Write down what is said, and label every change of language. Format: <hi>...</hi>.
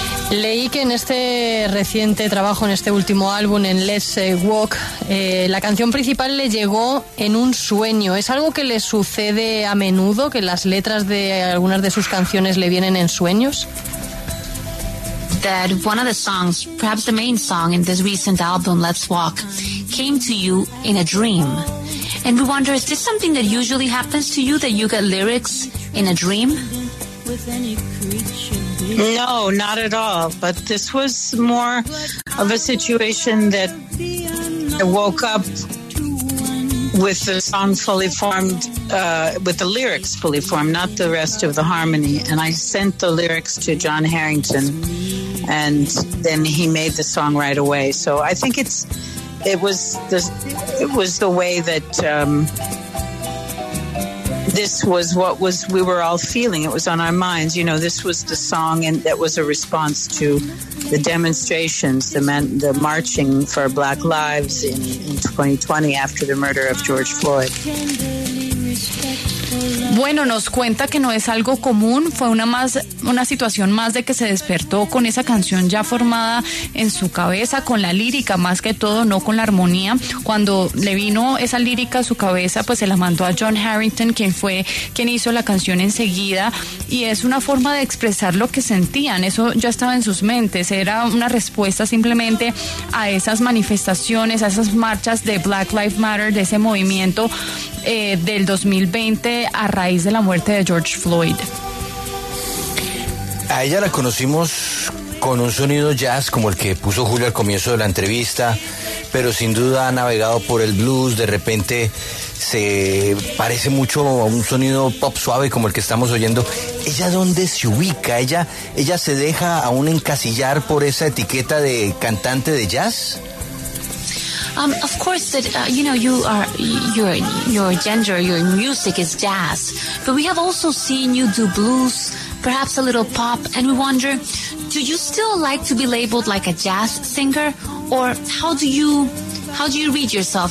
<es>Leí que en este reciente trabajo, en este último álbum, en Let's Walk, la canción principal le llegó en un sueño. ¿Es algo que le sucede a menudo, que las letras de algunas de sus canciones le vienen en sueños?</es> <en>That one of the songs, perhaps the main song in this recent album, Let's Walk, came to you in a dream. And we wonder, is this something that usually happens to you, that you get lyrics in a dream? No, not at all. But this was more of a situation that I woke up with the song fully formed, with the lyrics fully formed, not the rest of the harmony. And I sent the lyrics to John Harrington, and then he made the song right away. So I think it was the way that this was what was we were all feeling. It was on our minds. You know, this was the song, and that was a response to the demonstrations, the marching for Black Lives in 2020 after the murder of George Floyd.</en> <es>Bueno, nos cuenta que no es algo común, fue una situación más de que se despertó con esa canción ya formada en su cabeza, con la lírica más que todo, no con la armonía. Cuando le vino esa lírica a su cabeza, pues se la mandó a John Harrington, quien hizo la canción enseguida, y es una forma de expresar lo que sentían, eso ya estaba en sus mentes, era una respuesta simplemente a esas manifestaciones, a esas marchas de Black Lives Matter, de ese movimiento del 2020 a raíz de la muerte de George Floyd. A ella la conocimos con un sonido jazz como el que puso Julio al comienzo de la entrevista, pero sin duda ha navegado por el blues, de repente se parece mucho a un sonido pop suave como el que estamos oyendo. ¿Ella dónde se ubica? ¿Ella se deja aún encasillar por esa etiqueta de cantante de jazz?</es> <en>Of course, that you know, your gender, your music is jazz, but we have also seen you do blues, perhaps a little pop, and we wonder, do you still like to be labeled like a jazz singer, or how do you read yourself?</en>